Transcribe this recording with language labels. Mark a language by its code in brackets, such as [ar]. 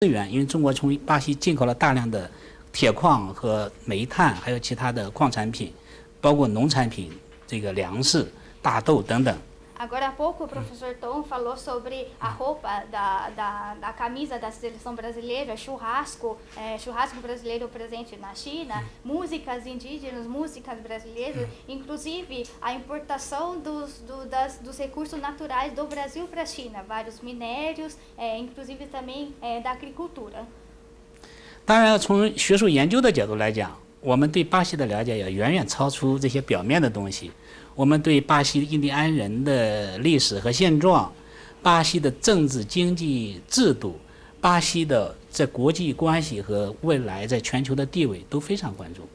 [zh] 资源，因为中国从巴西进口了大量的铁矿和煤炭，还有其他的矿产品，包括农产品，这个粮食、大豆等等。 [pt] Agora há pouco o professor Tom falou sobre a roupa da camisa da seleção brasileira, churrasco brasileiro presente na China, músicas indígenas, músicas brasileiras, inclusive a importação dos recursos naturais do Brasil para a China, vários minérios, inclusive também da agricultura. [zh] 当然，从学术研究的角度来讲，我们对巴西的了解要远远超出这些表面的东西。我们对巴西印第安人的历史和现状，巴西的政治经济制度，巴西的在国际关系和未来在全球的地位都非常关注。